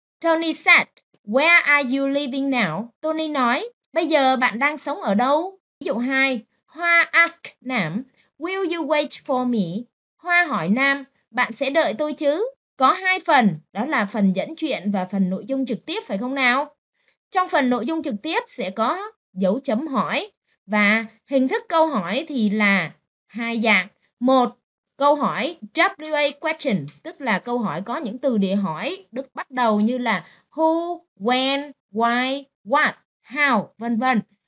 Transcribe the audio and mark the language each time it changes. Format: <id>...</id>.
<en>Tony said, "Where are you living now?"</en> <vi>Tony nói, "Bây giờ bạn đang sống ở đâu?" Ví dụ 2.</vi> <en>Hoa ask Nam, "Will you wait for me?"</en> <vi>Hoa hỏi Nam, "Bạn sẽ đợi tôi chứ?" Có hai phần, đó là phần dẫn chuyện và phần nội dung trực tiếp phải không nào? Trong phần nội dung trực tiếp sẽ có dấu chấm hỏi và hình thức câu hỏi thì là hai dạng. Một, câu hỏi WA question, tức là câu hỏi có những từ để hỏi được bắt đầu như là</vi> <en>who, when, why, what, how,</en> <vi>vân vân.</vi>